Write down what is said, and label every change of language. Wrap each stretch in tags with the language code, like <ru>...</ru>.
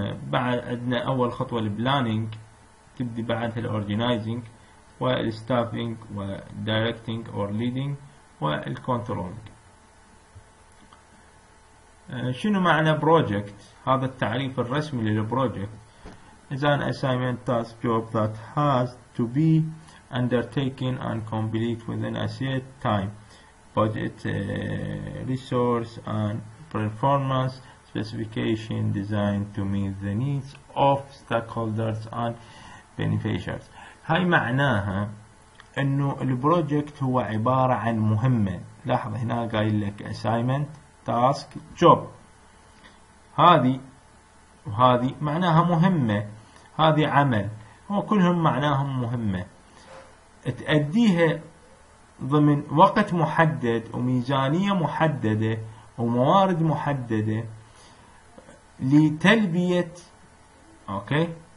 <ar>بعد عندنا اول خطوه البلانينج، تبدي بعدها الاورجنايزنج والستافينج والدايركتنج اور ليدنج والكونترولينج. شنو معنى بروجكت؟ هذا التعريف الرسمي للبروجكت.</ar> <en>is an assignment task job that has to be undertaken and complete within a set time budget resource and performance specification designed to meet the needs of stakeholders and beneficiaries.</en> <ar>هاي معناها انه البروجكت هو عبارة عن مهمة. لاحظ هنا قايل لك</ar> <en>assignment task job،</en> <ar>هذه وهذه معناها مهمة، هذه عمل، وكلهم معناهم مهمة، تأديها ضمن وقت محدد وميزانية محددة وموارد محددة لتلبية اوكي</ar>